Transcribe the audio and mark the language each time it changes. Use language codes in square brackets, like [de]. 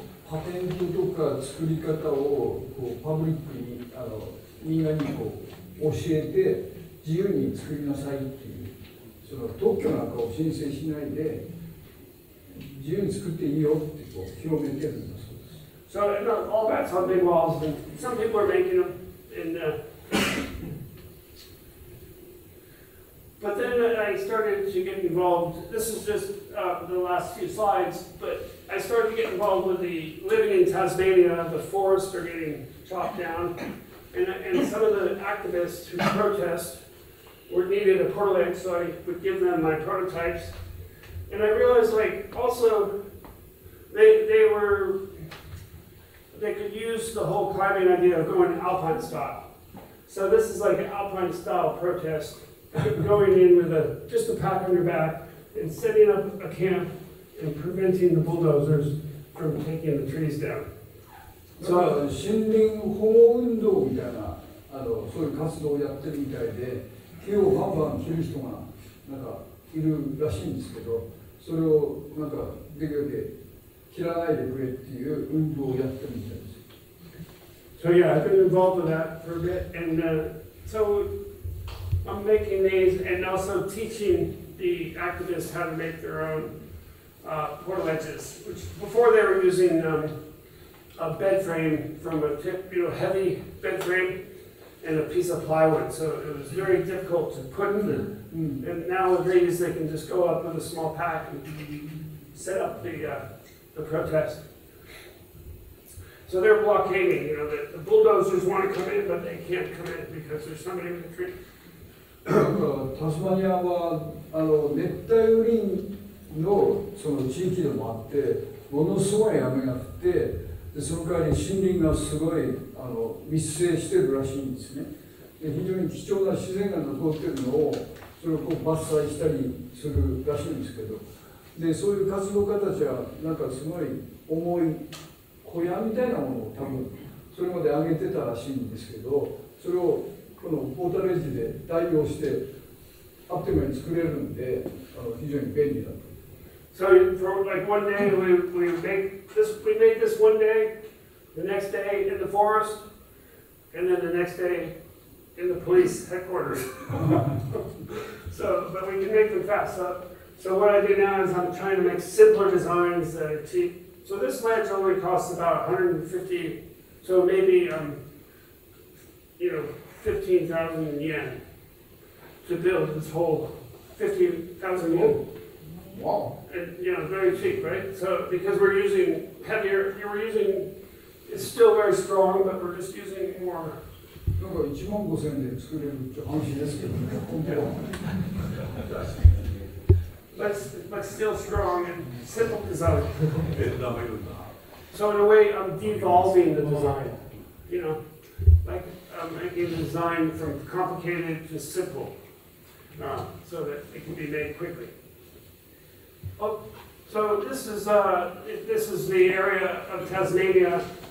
[ja] パテントとか作り方をこうパブリックにみんなにこう教えて自由に作りなさいっていう、その特許なんかを申請しないで自由に作っていいよってこう広めてるんだそうです。 [en] So all that's on big walls, and some people are making them in the But then I started to get involved. This is just the last few slides, but I started to get involved with the living in Tasmania. The forests are getting chopped down, and some of the activists who protest were needed a portalage, so I would give them my prototypes. And I realized, like, also they could use the whole climbing idea of going alpine style. So this is like an alpine style protest. Going in with just a pack on your back and setting up a camp and preventing the bulldozers from taking the trees down. So, [ja] 森林保護運動みたいなそういう活動をやってるみたいで、木をバンバン切る人がなんかいるらしいんですけど、それをなんかできるだけ切らないでくれっていう運動をやってるみたいです。 [en] So yeah, I've been involved with that for a bit, and so. I'm making these and also teaching the activists how to make their own portaledges, which before they were using a bed frame from a tip, you know, heavy bed frame and a piece of plywood. So it was very difficult to put in them. And now with these, they can just go up with a small pack and set up the protest. So they're blockading, you know, the bulldozers want to come in, but they can't come in because there's somebody in the tree. [ja] タスマニアは熱帯雨林 その地域でもあってものすごい雨が降って、でその代わり森林がすごい密生してるらしいんですね。で非常に貴重な自然が残ってるのをそれをこう伐採したりするらしいんですけど、でそういう活動家たちはなんかすごい重い小屋みたいなものを多分それまで上げてたらしいんですけど、それをこのポータルエッジで代用してアプティマに作れるんで非常に便利だと。 [en] So for like one day we made this one day, the next day in the forest, and then the next day in the police headquarters. So, but we can make them fast up. So what I do now is I'm trying to make simpler designs that are cheap. So this ledge only costs about 150, so maybe you know, 15,000 yen to build this whole 50,000 yen. Wow. And, you know, very cheap, right? So because we're using heavier, we're using, it's still very strong, but we're just using more. [ja] なんか1万5000円で作れるって話ですけどね、本当は。 [en] But still strong and simple design. [ja] ベンダーがいるんだ。 [en] So in a way, I'm devolving the design. You know, like I'm making the design from complicated to simple. So that it can be made quickly. Oh, so this is the area of Tasmania.